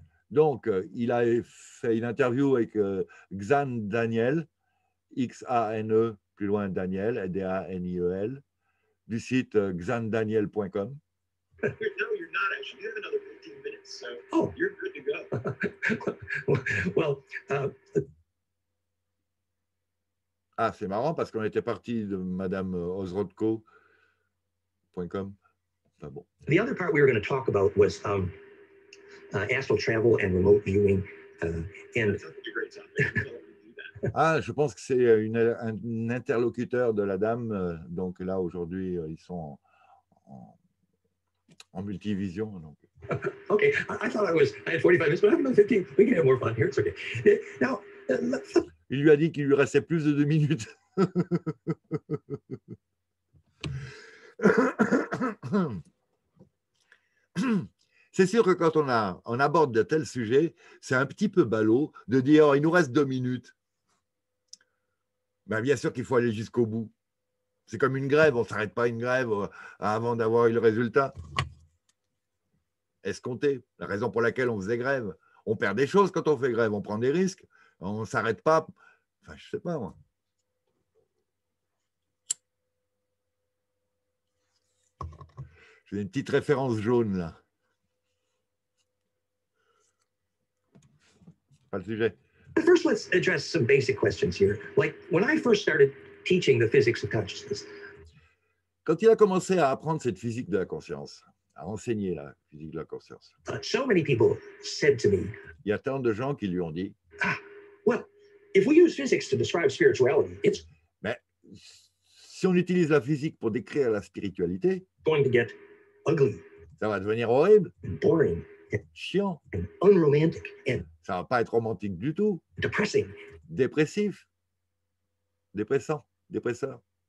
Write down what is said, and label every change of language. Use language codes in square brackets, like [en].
[fr] Donc, il a fait une interview avec Xane Daniel, X-A-N-E, plus loin Daniel, D-A-N-I-E-L, du site xanedaniel.com. [en] No, you're not actually. You have another 15 minutes, so you're good to go. Well, [fr] Ah, c'est marrant parce qu'on était parti de madameosrodko.com. Enfin bon. [en] The other part we were going to talk about was astral travel and remote viewing. And [fr] ah, je pense que c'est un interlocuteur de la dame. Donc là, aujourd'hui, ils sont en multivision. Donc. [en] Okay, I thought I had 45 minutes, but I have about 15. We can have more fun here. It's okay. Now, [fr] il lui a dit qu'il lui restait plus de 2 minutes. C'est sûr que quand on aborde de tels sujets, c'est un petit peu ballot de dire oh, « il nous reste 2 minutes ». Ben, bien sûr qu'il faut aller jusqu'au bout. C'est comme une grève, on ne s'arrête pas une grève avant d'avoir eu le résultat. Escompté, la raison pour laquelle on faisait grève. On perd des choses quand on fait grève, on prend des risques. On ne s'arrête pas. Enfin, je ne sais pas, moi. J'ai une petite référence jaune, là. Pas le sujet. [en] First, let's address some basic questions here. Like, when I first started teaching the physics of consciousness. [fr] Quand il a commencé à apprendre cette physique de la conscience, à enseigner la physique de la conscience, [en] so many people said to me, [fr] il y a tant de gens qui lui ont dit, [en] ah, if we use physics to describe spirituality, it's [fr] mais si on utilise la physique pour décrire la spiritualité, [en] going to get ugly. [fr] Ça va devenir horrible. [en] And boring. [fr] And chiant. [en] And unromantic. And [fr] ça va pas être romantique du tout. [en] Depressing. [fr] Dépressif. Dépressant. Dépresseur.